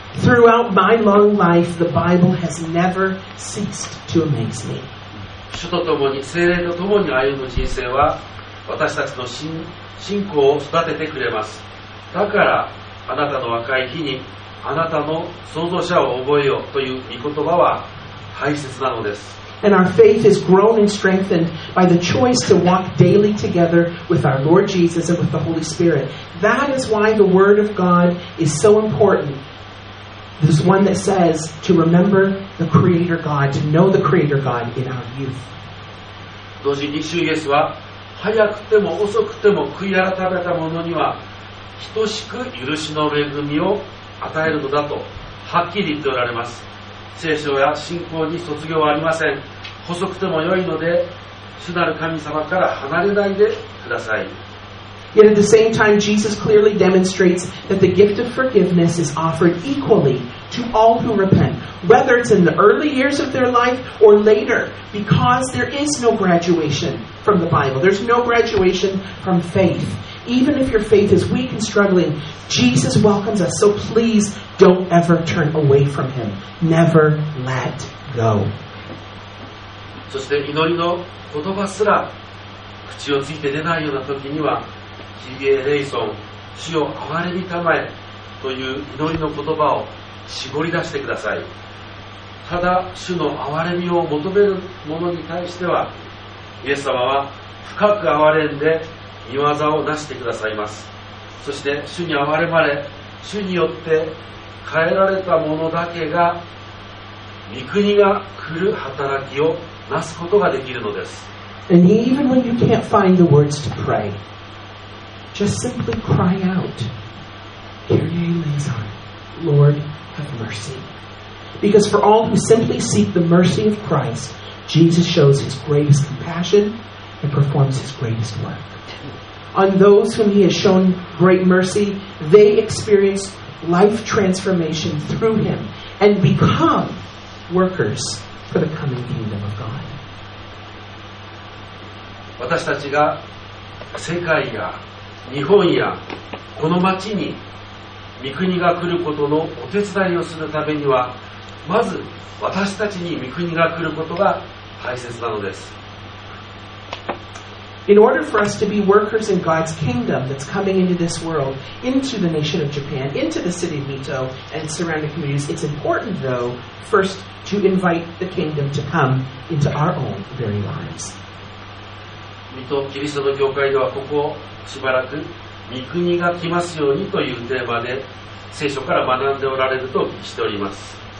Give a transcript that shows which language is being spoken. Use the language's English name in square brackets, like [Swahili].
[English] Throughout my long life, the Bible has never ceased to amaze me. [Japanese] 主と共に、聖霊と共に歩む人生は私たちの信仰を育ててくれます。だから。あなたの若い日にあなたの創造者を覚えよという御言葉は大切なのです。 [English] And our faith is grown and strengthened by the choice to walk daily together with our Lord Jesus and with the Holy Spirit. That is why the Word of God is so important. There's one that says to remember the Creator God, to know the Creator God in our youth. [Japanese] 同時に主イエスは早くても遅くても悔い改めた者には等しく許しの恵みを与えるのだとはっきり言っておられます。聖書や信仰に卒業はありません。細くても良いので主なる神様から離れないでください。 [English] Yet at the same time Jesus clearly demonstrates that the gift of forgiveness is offered equally to all who repent, whether it's in the early years of their life or later, because there is no graduation from the Bible. There's no graduation from faith. Even if your faith is weak and struggling, Jesus welcomes us. So please don't ever turn away from him. Never let go. [Japanese] そして祈りの言葉すら口をついて出ないような時には、キリエレイソン、主を憐れみたまえという祈りの言葉を絞り出してください。ただ主の憐れみを求める者に対しては、イエス様は深く憐れんで御業を成してくださいます。そして主に憐れまれ、主によって変えられた者だけが御国が来る働きをなすことができるのです。 [English] And even when you can't find the words to pray, just simply cry out, Kyrie eleison, Lord have mercy. Because for all who simply seek the mercy of Christ, Jesus shows his greatest compassion and performs his greatest work. On those whom he has shown great mercy, they experience life transformation through him and become workers for the coming kingdom of God. [Japanese] 私たちが世界や日本やこの町に御国が来ることのお手伝いをするためには、まず私たちに御国が来ることが大切なのです。 [English] In order for us to be workers in God's kingdom that's coming into this world, into the nation of Japan, into the city of Mito and surrounding communities, it's important though first to invite the kingdom to come into our own very lives. [Japanese] 水戸キリストの教会ではここをしばらく御国が来ますようにというテーマで聖書から学んでおられるとお聞きしております。